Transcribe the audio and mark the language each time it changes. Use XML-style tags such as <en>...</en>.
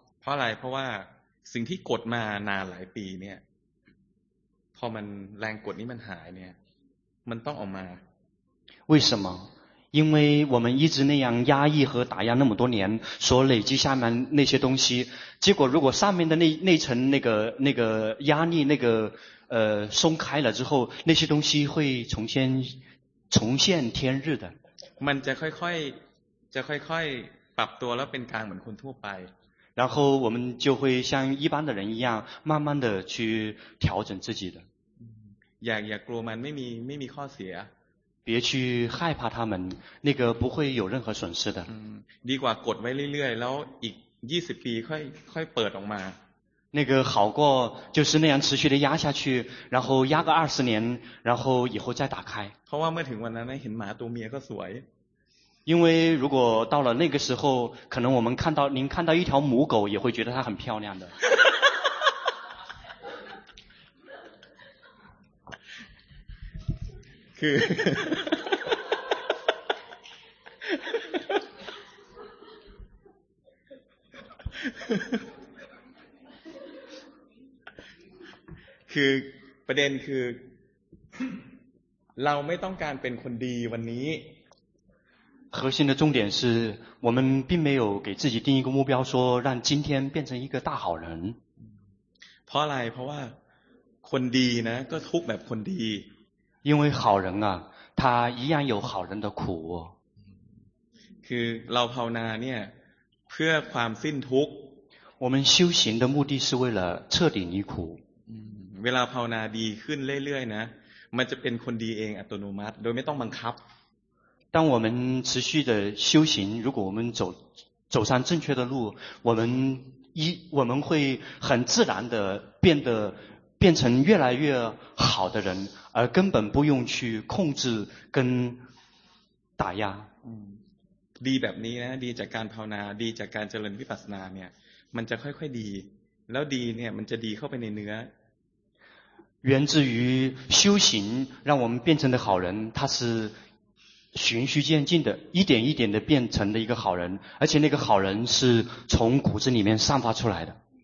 <th>เพราะอะไรเพราะว่าสิ่งที่กดมานานหลายปีเนี่ย พอมันแรงกดนี้มันหายเนี่ยมันต้องออกมา</th> <zh>为什么因为我们一直那样压抑和打压那么多年所累积下面那些东西结果如果上面的 那层那个压力那个松开了之后那些东西会重现天日的</zh> <th>มันจะค่อยปรับตัวแล้วเป็นกลางเหมือนคนทั่วไป</th> <zh>然后我们就会像一般的人一样慢慢的去调整自己的</zh> <th>อย่ากลัวมันไม่มีข้อเสีย</th> <zh>别去害怕他们那个不会有任何损失的</zh> <th>ดีกว่ากดไว้เรื่อยๆแล้วอีก20ปีค่อยเปิดออกมา</th> <zh>那个好过就是那样持续的压下去然后压个20年然后以后再打开</zh> <th>เพราะว่าเมื่อถึงวันนั้นเห็นหมาตัวเมียก็สวย</th> <zh>因为如果到了那个时候可能我们看到您看到一条母狗也会觉得它很漂亮的</zh> <th>คือประเด็นคือเราไม่ต้องการเป็นคนดีวันนี้</th> <zh>核心的重点是我们并没有给自己定一个目标说让今天变成一个大好人</zh> <th>เพราะอะไรเพราะว่าคนดีนะก็ทุกแบบคนดี</th> <zh>因为好人啊他一样有好人的苦</zh> <th>คือเราภาวนาเนี่ยเพื่อความสิ้นทุกข์</th> <zh>我们修行的目的是为了彻底离苦</zh> <th>เวลาภาวนาดีขึ้นเรื่อยๆนะมันจะเป็นคนดีเองอัตโนมัติโดยไม่ต้องบังคับ</th> <zh>当我们持续的修行如果我们走上正确的路我们会很自然的变成越来越好的人而根本不用去控制跟打压</zh> <th>ดีแบบนี้นะดีจากการภาวนาดีจากการเจริญวิปัสสนาเนี่ยมันจะค่อยๆดีแล้วดีเนี่ยมันจะดีเข้าไปในเนื้อ</th> <zh>源自于修行让我们变成的好人它是循序渐进的一点一点的变成的一个好人而且那个好人是从骨子里面散发出来的</zh>